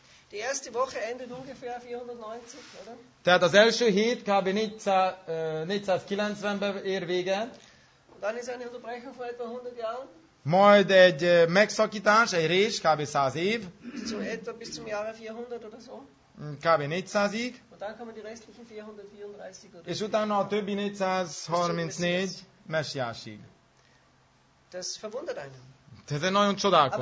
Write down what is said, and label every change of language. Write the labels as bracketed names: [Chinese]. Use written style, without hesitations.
[German] Die erste Woche endet ungefähr 490, oder? [Hungarian] Tehát az első hét kb. 490-ben ér véget. Dann ist eine Unterbrechung von etwa 100 Jahren. Majd egy megszakítás, egy rés, kb. 100 év. [German] So etwa bis zum Jahre 400 oder so. [Hungarian] Kb. 400-ig. [German] Und dann kommen die restlichen 434 oder. [Hungarian] És utána a többi 434 messiásig. [German] Das verwundert einen. [Hungarian] Tehát ez nagyon csodálkozom.